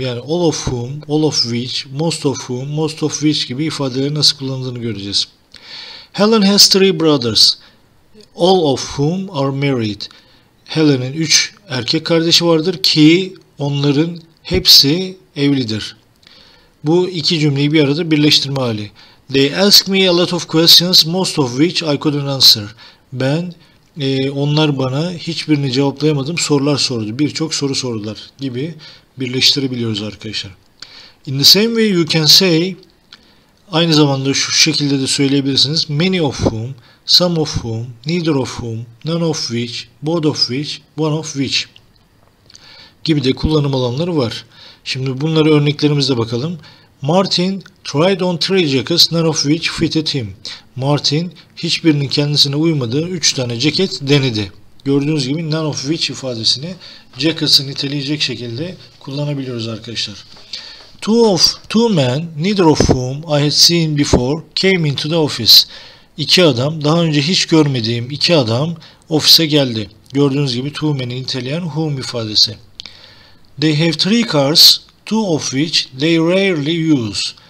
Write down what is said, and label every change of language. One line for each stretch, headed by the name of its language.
Turkish: Yani
English: all of whom, all of which,
Turkish: most of whom, most of which gibi ifadeleri nasıl kullanıldığını göreceğiz.
English: Helen has three brothers, all of whom are married.
Turkish: Helen'in 3 erkek kardeşi vardır ki onların hepsi evlidir. Bu iki cümleyi bir arada birleştirme hali.
English: They ask me a lot of questions, most of which I couldn't answer.
Turkish: Onlar bana hiçbirini cevaplayamadım, sorular sordu. Birçok soru sordular gibi birleştirebiliyoruz arkadaşlar.
English: In the same way you can say,
Turkish: aynı zamanda şu şekilde de söyleyebilirsiniz:
English: many of whom, some of whom, neither of whom, none of which, both of which, one of which
Turkish: gibi de kullanım alanları var. Şimdi bunları örneklerimizle bakalım.
English: Martin tried on 3 jackets, none of which fitted him.
Turkish: Martin hiçbirinin kendisine uymadığı 3 tane ceket denedi. Gördüğünüz gibi
English: none of which
Turkish: ifadesini jackets'ı niteleyecek şekilde kullanabiliyoruz arkadaşlar.
English: Two men, neither of whom I had seen before, came into the office.
Turkish: İki adam, daha önce hiç görmediğim iki adam ofise geldi. Gördüğünüz gibi two men'i niteleyen whom ifadesi.
English: They have 3 cars, two of which they rarely use.